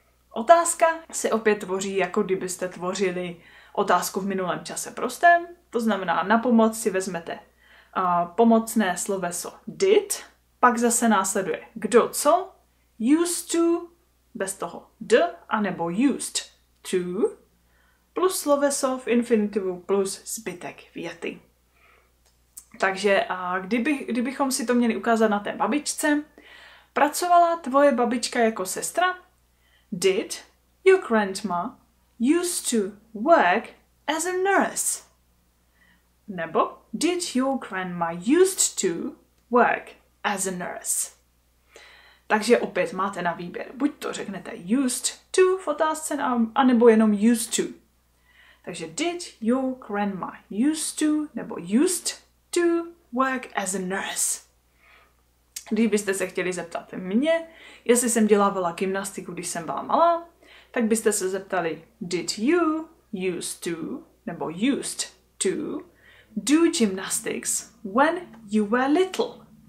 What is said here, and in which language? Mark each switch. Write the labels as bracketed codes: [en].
[cs] Otázka se opět tvoří, jako kdybyste tvořili otázku v minulém čase prostém, to znamená, na pomoc si vezmete pomocné sloveso did, pak zase následuje kdo co, used to, bez toho d, anebo used to, plus sloveso v infinitivu plus zbytek věty. Takže kdybychom si to měli ukázat na té babičce, pracovala tvoje babička jako sestra? [en] Did your grandma used to work as a nurse? [cs] Nebo [en] did your grandma used to work as a nurse? [cs] Takže opět máte na výběr. Buď to řeknete used to v otázce, anebo jenom used to. Takže [en] did your grandma used to, [cs] nebo [en] used to work as a nurse? [cs] Kdybyste se chtěli zeptat mě, jestli jsem dělávala gymnastiku, když jsem byla malá, tak byste se zeptali [en] did you used to, nebo used to, do gymnastics when you were little?